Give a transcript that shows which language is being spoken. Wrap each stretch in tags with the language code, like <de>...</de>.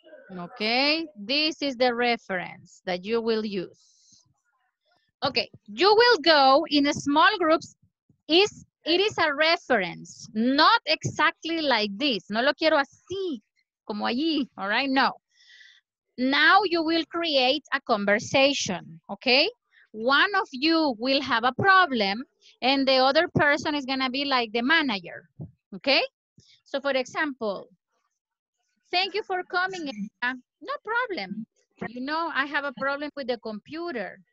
<en>Okay, this is the reference that you will use. Okay, you will go in a small groups. It is a reference, not exactly like this.</en> <es>No lo quiero así, como allí, all right?</es> <en>No. Now you will create a conversation, okay? One of you will have a problem and the other person is gonna be like the manager, okay? So for example, thank you for coming. No problem. You know, I have a problem with the computer.</en>